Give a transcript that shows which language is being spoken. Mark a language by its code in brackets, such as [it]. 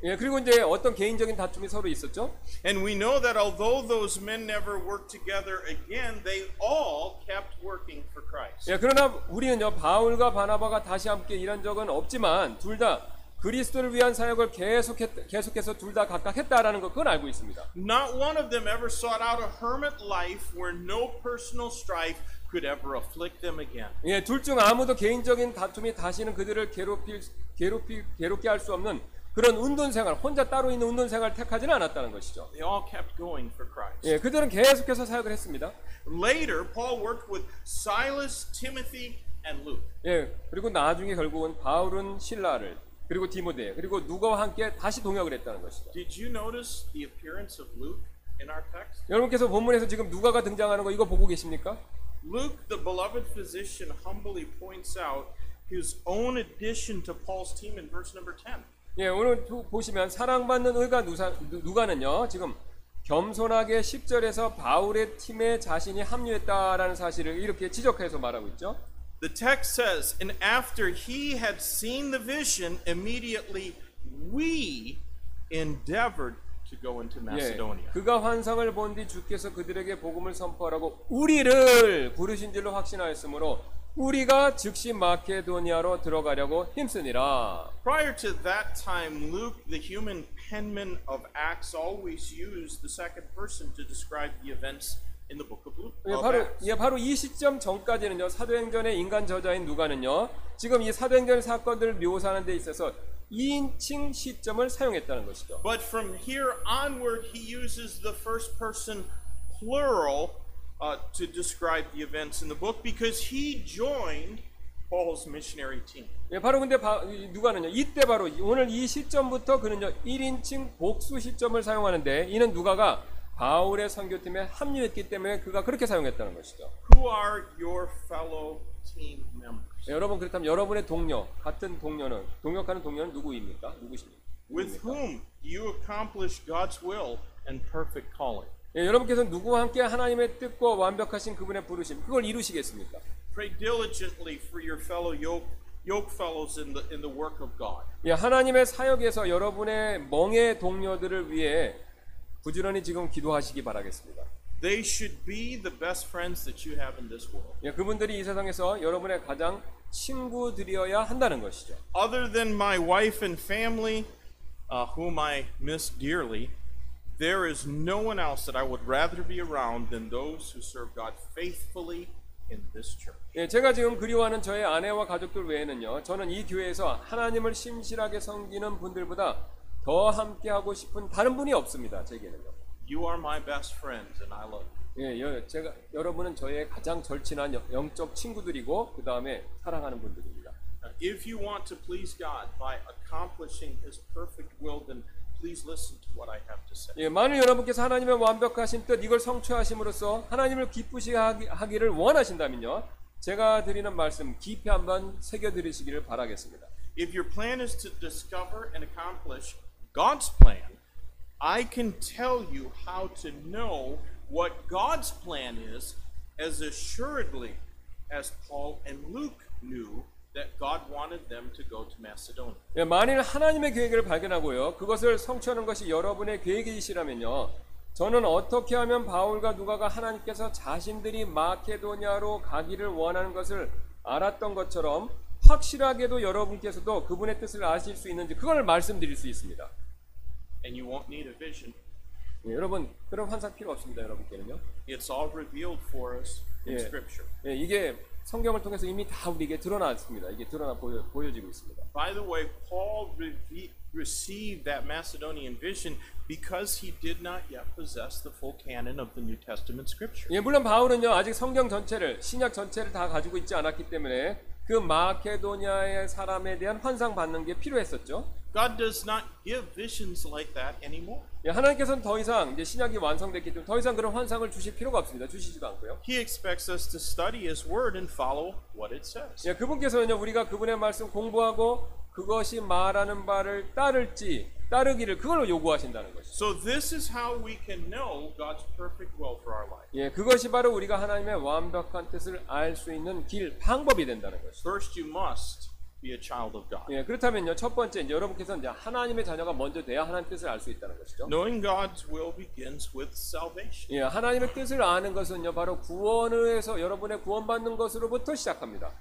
[ko] 예, 그리고 이제 어떤 개인적인 다툼이 서로 있었죠. [en] And we know that although those men never worked together again, they all kept working for Christ. [ko] 예, 그러나 우리는요, 바울과 바나바가 다시 함께 일한 적은 없지만 둘 다 그리스도를 위한 사역을 계속해서 둘 다 각각 했다라는 것 그건 알고 있습니다. [en] Not one of them ever sought out a hermit life where no personal strife could ever afflict them again. [ko] 예, 둘 중 아무도 개인적인 다툼이 다시는 그들을 괴롭게 할 수 없는 그런 은둔 생활, 혼자 따로 있는 은둔 생활을 택하지는 않았다는 것이죠. [en] They all kept going for Christ. [ko] 예, 그들은 계속해서 사역을 했습니다. [en] Later, Paul worked with Silas, Timothy, and Luke. [ko] 예, 그리고 나중에 결국은 바울은 실라를 그리고 디모데 그리고 누가와 함께 다시 동역을 했다는 것이죠. [en] Did you notice the appearance of Luke in our text? [ko] 여러분께서 본문에서 지금 누가가 등장하는 거 이거 보고 계십니까? [en] Luke, the beloved physician, humbly points out his own addition to Paul's team in verse number 10. [ko] 예, 오늘 보시면 사랑받는 의가 누가는요 지금 겸손하게 10절에서 바울의 팀에 자신이 합류했다라는 사실을 이렇게 지적해서 말하고 있죠. [en] The text says, and after he had seen the vision, immediately we endeavored to go into Macedonia. [ko] 예, 그가 환상을 본 뒤 주께서 그들에게 복음을 선포하라고 우리를 부르신 줄로 확신하였으므로 우리가 즉시 마케도니아로 들어가려고 힘쓰니라. [en] Prior to that time, Luke, the human penman of Acts, always used the second person to describe the events in the book of Luke. [ko] 예, 바로, 예, 바로 이 시점 전까지는요, 사도행전의 인간 저자인 누가는요, 지금 이 사도행전 사건들을 묘사하는 데 있어서 2인칭 시점을 사용했다는 것이죠. [en] But from here onward, he uses the first person plural to describe the events in the book because he joined Paul's missionary team. [ko] 예, 바로 근데 누가느냐? 이때 바로 오늘 이 시점부터 그는요 1인칭 복수 시점을 사용하는데 이는 누가가 바울의 선교팀에 합류했기 때문에 그가 그렇게 사용했다는 것이죠. [en] Who are your fellow team members? [ko] 예, 여러분 그렇다면 여러분의 동료 같은 동료는 동역하는 동료는 누구입니까? 누구십니까? [en] With whom you accomplish God's will and perfect calling. [ko] 예, 여러분께서 누구와 함께 하나님의 뜻과 완벽하신 그분의 부르심 그걸 이루시겠습니까? [en] Pray diligently for your fellow yoke fellows in the work of God. [ko] 예, 하나님의 사역에서 여러분의 멍에 동료들을 위해 부지런히 지금 기도하시기 바라겠습니다. [en] They should be the best friends that you have in this world. [ko] 예, 그분들이 이 세상에서 여러분의 가장 친구들이어야 한다는 것이죠. [en] Other than my wife and family, whom I miss dearly, there is no one else that I would rather be around than those who serve God faithfully in this church. [ko] 예, 제가 지금 그리워하는 저의 아내와 가족들 외에는요, 저는 이 교회에서 하나님을 신실하게 섬기는 분들보다 더 함께하고 싶은 다른 분이 없습니다. 제게는요. [en] You are my best friends, and I love you. [ko] 예, 제가 여러분은 저의 가장 절친한 영적 친구들이고 그 다음에 사랑하는 분들입니다. [en] If you want to please God by accomplishing His perfect will, then please listen to what I have to say. [ko] 예, 만일 여러분께서 하나님의 완벽하신 뜻 이걸 성취하심으로써 하나님을 기쁘시게 하기를 원하신다면요, 제가 드리는 말씀 깊이 한번 새겨 들으시기를 바라겠습니다. [en] If your plan is to discover and accomplish God's plan, I can tell you how to know what God's plan is as assuredly as Paul and Luke knew that God wanted them to go to Macedonia. [ko] 예, 만일 하나님의 계획을 발견하고요, 그것을 성취하는 것이 여러분의 계획이시라면요, 저는 어떻게 하면 바울과 누가가 하나님께서 자신들이 마케도니아로 가기를 원하는 것을 알았던 것처럼 확실하게도 여러분께서도 그분의 뜻을 아실 수 있는지 그걸 말씀드릴 수 있습니다. [en] And you won't need a vision. [ko] 예, 여러분 그런 환상 필요 없습니다. 여러분께는요. [en] It's all revealed for us in Scripture. [ko] 예, 이게 성경을 통해서 이미 다 우리에게 드러났습니다. 이게 드러나 보여지고 있습니다. [en] By the way, Paul received that Macedonian vision because he did not yet possess the full canon of the New Testament Scripture. [ko] 예, 물론 바울은요 아직 성경 전체를 신약 전체를 다 가지고 있지 않았기 때문에 그 마케도니아의 사람에 대한 환상 받는 게 필요했었죠. [en] God does not give visions like that anymore. [ko] 예, 하나님께서는 더 이상 이제 신약이 완성됐기 때문에 더 이상 그런 환상을 주실 필요가 없습니다. 주시지도 않고요. [en] He expects us to study His word and follow what it says. [ko] 예, 그분께서는요 우리가 그분의 말씀 공부하고 그것이 말하는 바를 따를지 따르기를 그걸로 요구하신다는 것이죠. [en] So this is how we can know God's perfect will for our life. [ko] 예, 그것이 바로 우리가 하나님의 완벽한 뜻을 알 수 있는 길 방법이 된다는 것이죠. [en] First you must be a child of God. [ko] 예, 그렇다면요. 첫 번째 이제 여러분께서 이제 하나님의 자녀가 먼저 돼야 하나님 뜻을 알 수 있다는 것이죠. [en] Knowing God's will begins with salvation. [ko] 예, 하나님의 뜻을 아는 것은요. 바로 구원에서 여러분의 구원받는 것으로부터 시작합니다.